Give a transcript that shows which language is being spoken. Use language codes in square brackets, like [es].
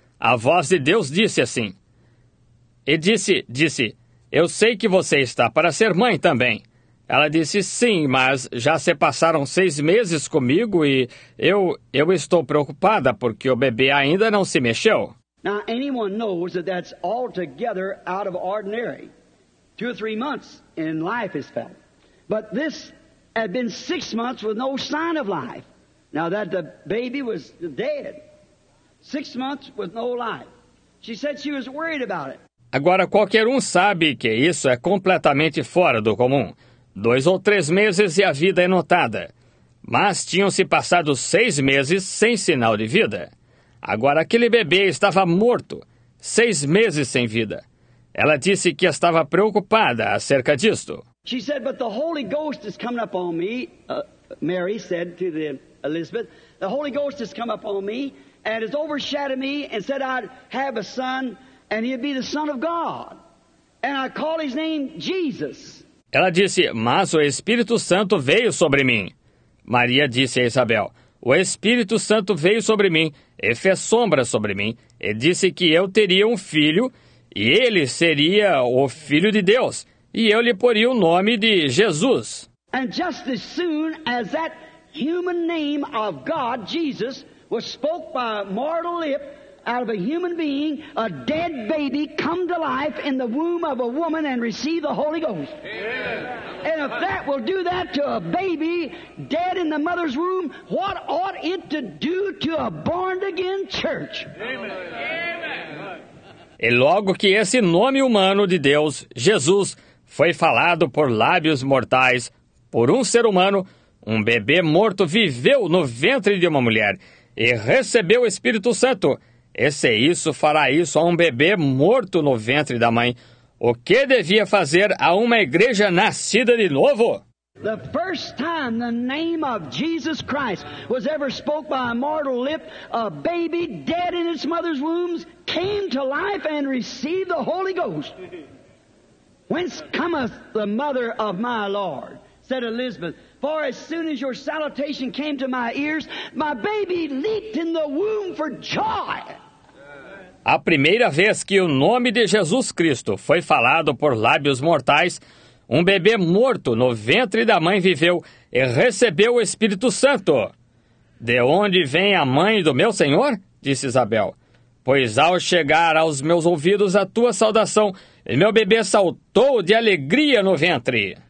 [pt] A voz de Deus disse assim. E disse, eu sei que você está para ser mãe também. Ela disse, sim, mas já se passaram 6 meses comigo e eu estou preocupada porque o bebê ainda não se mexeu. [en] Now, anyone knows that that's altogether out of ordinary. 2 or 3 months in life is felt. But this had been 6 months with no sign of life. Now that the baby was dead. 6 months with no life. She said she was worried about it. [pt] Agora, qualquer um sabe que isso é completamente fora do comum. 2 ou 3 meses e a vida é notada. Mas tinham-se passado 6 meses sem sinal de vida. Agora aquele bebê estava morto. 6 meses sem vida. Ela disse que estava preocupada acerca disto. [en] She said, but the Holy Ghost is coming up on me. Mary said to the Elizabeth, the Holy Ghost has come up on me and has overshadowed me and said I'd have a son and he'd be the son of God. And I call his name Jesus. [pt] Ela disse, mas o Espírito Santo veio sobre mim. Maria disse a Isabel, o Espírito Santo veio sobre mim e fez sombra sobre mim e disse que eu teria um filho e ele seria o Filho de Deus e eu lhe poria o nome de Jesus. [en] And just as soon as that human name of God, Jesus, was spoke by a mortal lip out of a human being, a dead baby, come to life in the womb of a woman and receive the Holy Ghost. Amen. And if that will do that to a baby dead in the mother's womb, what ought it to do to a born-again church? Amen. [pt] E logo que esse nome humano de Deus, Jesus, foi falado por lábios mortais, por um ser humano, um bebê morto viveu no ventre de uma mulher e recebeu o Espírito Santo. E se isso fará isso a um bebê morto no ventre da mãe, o que devia fazer a uma igreja nascida de novo? [en] The first time the name of Jesus Christ was ever spoke by a mortal lip, a baby dead in its mother's womb came to life and received the Holy Ghost. Whence cometh the mother of my Lord? Said Elizabeth, for as soon as your salutation came to my ears, my baby leaped in the womb for joy. [pt] A primeira vez que o nome de Jesus Cristo foi falado por lábios mortais, um bebê morto no ventre da mãe viveu e recebeu o Espírito Santo. De onde vem a mãe do meu Senhor? Disse Isabel. Pois ao chegar aos meus ouvidos a tua saudação, meu bebê saltou de alegria no ventre.